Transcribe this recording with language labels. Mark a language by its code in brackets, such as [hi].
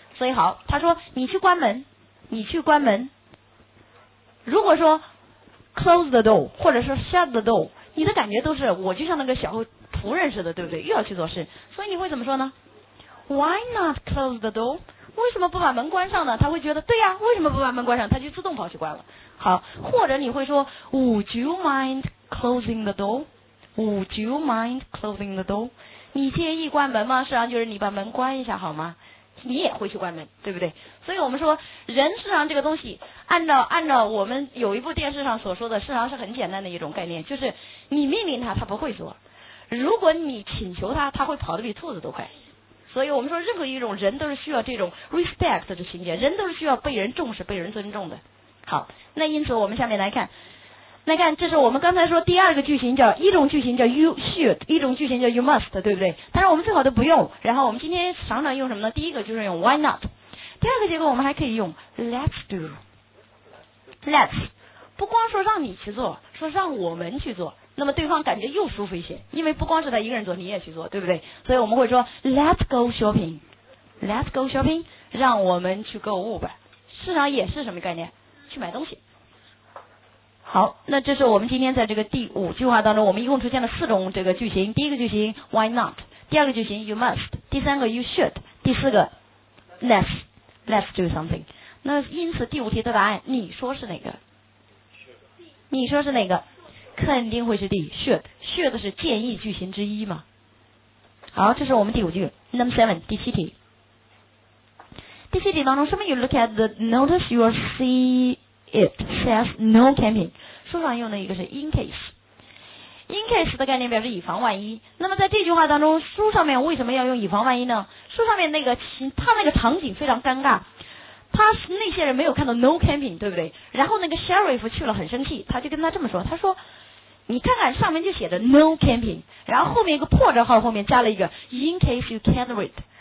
[zh] 所以好，他说你去关门，你去关门。如果说 [en] close the door, [zh] 或者说 [en] shut the door, [zh] 你的感觉都是我就像那个小仆人似的，对不对？又要去做事。所以你会怎么说呢？ [en] why not close the door, [zh] 为什么不把门关上呢？他会觉得对呀，为什么不把门关上，他就自动跑去关了。好，或者你会说 [en] would you mind closing the door, would you mind closing the door, [zh] 你介意关门吗？实际上就是你把门关一下好吗，你也会去关门，对不对？所以我们说人事实上这个东西按照我们有一部电视上所说的，事实上是很简单的一种概念，就是你命令他不会做，如果你请求他会跑得比兔子都快。所以我们说任何一种人都是需要这种 respect 的情节，人都是需要被人重视被人尊重的。好，那因此我们下面来看这是我们刚才说第二个句型，叫一种句型叫 you should, 一种句型叫 you must, 对不对？但是我们最好都不用。然后我们今天常常用什么呢？第一个就是用 why not, 第二个结构我们还可以用 let's do, let's 不光说让你去做，说让我们去做，那么对方感觉又舒服一些，因为不光是他一个人做你也去做，对不对？所以我们会说 [en] let's go shopping, let's go shopping, [zh] 让我们去购物吧。市场也是什么概念？去买东西。好，那这是我们今天在这个第五句话当中，我们一共出现了四种这个句型。第一个句型 why not, 第二个句型 you must, 第三个 you should, 第四个 [en] let's do something。 [zh] 那因此第五题的答案你说是哪个？你说是哪个？肯定会是 D, should, should 是建议句型之一嘛。好，这是我们第五句 [en] number seven, [zh] 第七题。第七题当中 [en] some of you look at the notice, you will see it says no camping, [zh] 书上用的一个是 in case, in case 的概念表示以防万一。那么在这句话当中，书上面为什么要用以防万一呢？书上面那个他那个场景非常尴尬，他那些人没有看到 no camping, 对不对？然后那个 sheriff 去了很生气，他就跟他这么说，他说你看看上面就写着 no camping, 然后后面一个破折号后面加了一个 [en] in case you can't read,